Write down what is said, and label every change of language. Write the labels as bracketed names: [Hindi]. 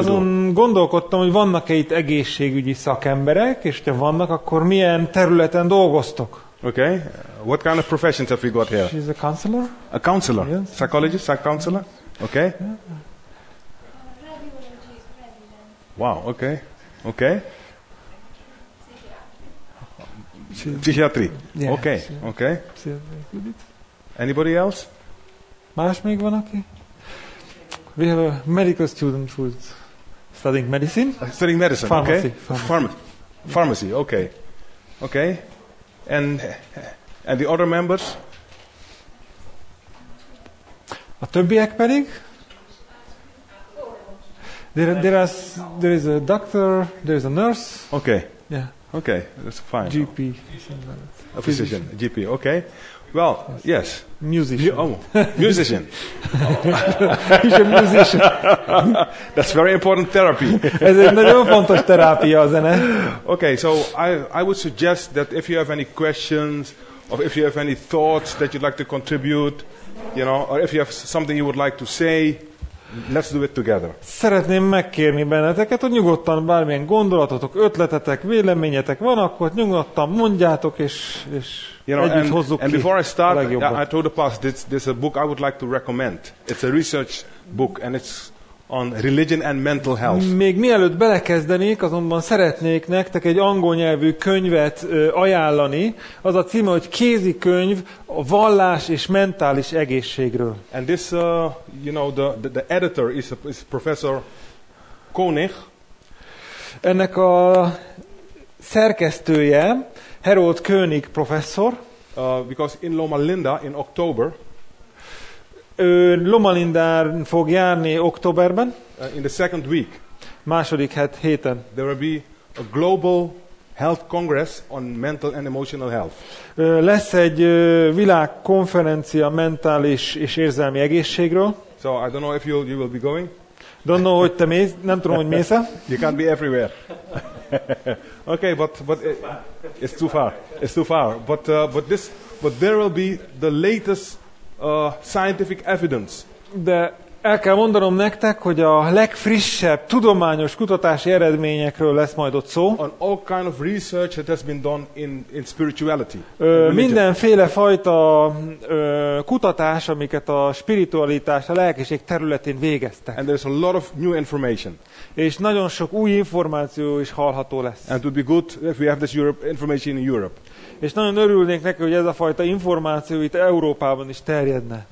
[Hungarian] Azon gondolkodtam, hogy vannak-e itt egészségügyi szakemberek, és ha vannak, akkor milyen területen dolgoztok? [English] Okay. What kind of professions have we got here? She's a counselor. A counselor. Yes. Psychologist, psych counselor. Okay. Yeah. Wow, okay. Okay. Psychiatry. Yeah, okay. Okay. Anybody else? [Hungarian] Más még van, aki? [English] We have a medical student who's studying medicine. Studying medicine. Pharmacy. Okay. Pharmacy. Pharmacy. Okay. Okay. And the other members? [Hungarian] A többiek pedig? [English] There is a doctor, there is a nurse. Okay. Yeah. Okay, that's fine. GP. A physician. GP, okay. Well, yes. Musician. Musician. He's a musician. That's very important therapy. [Hungarian] Ez egy nagyon fontos terápia, a zene. [English] Okay, so I would suggest that if you have any questions, or if you have any thoughts that you'd like to contribute, you know, or if you have something you would like to say, let's do it together. [Hungarian] Szeretném megkérni benneteket, hogy nyugodtan bármilyen gondolatotok, ötletetek, véleményetek van, akkor nyugodtan mondjátok, és [English] you know, [Hungarian] együtt hozzuk [English] and [Hungarian] ki. [English] Before I start, I told the past, this a book I would like to recommend. It's a research book, and it's on religion and mental health. [Hungarian] Még mielőtt belekezdenék, azonban szeretnék nektek egy angol nyelvű könyvet ajánlani. Az a címe, hogy kézikönyv a vallás és mentális egészségről. [English] And this, you know, the editor is Professor Koenig. [Hungarian] Ennek a szerkesztője Harold Koenig professzor. [English] Because in Loma Linda in October. [Hungarian] Ő Loma Lindán fog járni októberben. [English] In the second week. [Hungarian] Második héten. [English] There will be a global health congress on mental and emotional health. [Hungarian] Lesz egy világkonferencia mentális és érzelmi egészségről. [English] So I don't know if you will be going. Don't know, [Hungarian] hogy te mész, nem tudom, hogy mész-e. [English] You can't be everywhere. Okay, but it's too far. It's too far. But there will be the latest scientific evidence. [Hungarian] De el kell mondanom nektek, hogy a legfrissebb tudományos kutatási eredményekről lesz majd ott szó. [English] On all kind of research that has been done in spirituality. [Hungarian] Mindenféle fajta kutatás, amiket a spiritualitás, a lelkiség területén végeztek. [English] And there's a lot of new information. [Hungarian] És nagyon sok új információ is hallható lesz. [English] And it would be good if we have this information in Europe. [Hungarian] És nagyon örülnék neki, hogy ez a fajta információ itt Európában is terjedne.